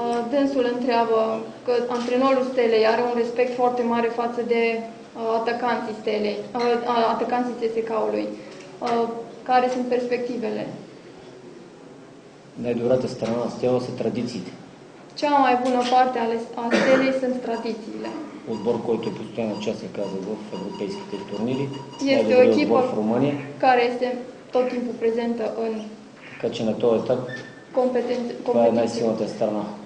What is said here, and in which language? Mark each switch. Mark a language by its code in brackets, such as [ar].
[ro] Dânsul întreabă că antrenorul Stelei are un respect foarte mare față de atacanții Stelei, atacanții ЦСКА-ului. Care sunt perspectivele? [bg] Най-добрата страна на Steaua са традициите. [ro] Cea mai bună parte a Stelei sunt tradițiile. [bg] Отбор, който е постоянно участник, казва, в европейските турнири. [ro] Este o echipă [bg] в Румъния, [ro] care este tot timpul prezentă în... [bg] Така че на този етап, това е най-силната страна.